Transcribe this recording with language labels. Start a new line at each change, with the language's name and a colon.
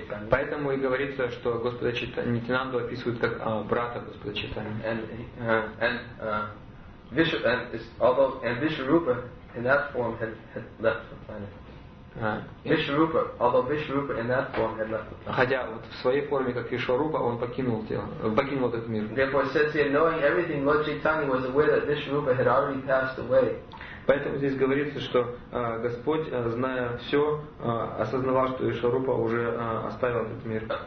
Russian: Поэтому и говорится, что Господа Чайтанья Нитьянанду описывают как брата Господа Чайтанья.
English: And Vishwarupa in that form had left the planet. Vishwarupa, although Vishwarupa in that form had left the planet.
Russian: Хотя вот в своей форме как Вишварупа он покинул тело, покинул этот мир.
English: Therefore, since he, knowing everything, Lord Chaitanya was aware that Vishwarupa had already passed away.
Russian: Поэтому здесь говорится, что Господь, зная все, осознавал, что Вишварупа уже оставил этот мир.